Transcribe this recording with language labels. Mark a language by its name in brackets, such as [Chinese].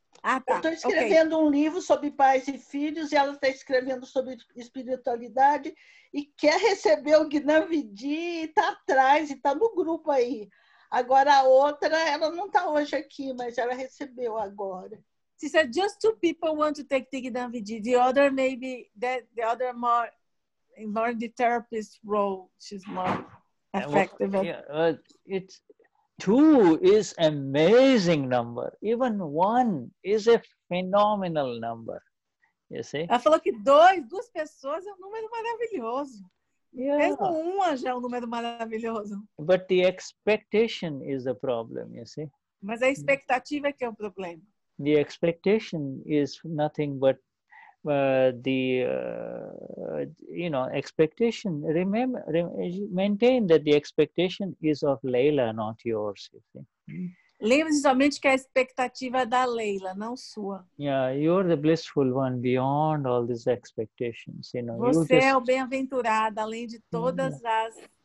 [Portuguese] Ah, tá. Eu estou escrevendo um livro sobre pais e filhos, e ela está escrevendo sobre espiritualidade e quer receber o Gnanvidhi e está atrás, e está no grupo aí. Agora a outra, ela não está hoje aqui, mas ela recebeu agora. [English] She said just two people want to take the Gnanvidhi. The other maybe, the other more in the therapist role, she's more effective. Two is amazing number. Even one is a phenomenal number. You see? [Portuguese] Ela falou que duas pessoas é um número maravilhoso. Yeah. É um já um número maravilhoso. [English] But the expectation is the problem, you see. [Portuguese] Mas a expectativa é que é o problema. [English] The expectation is nothing but you know, expectation. Maintain that the expectation is of Leila, not yours, you see. [Portuguese] Lembre-se somente que a expectativa é da Leila, não sua. [English] Yeah, you're the blissful one beyond all these expectations, you know. [Portuguese] Você just... é o bem-aventurado além de todas as.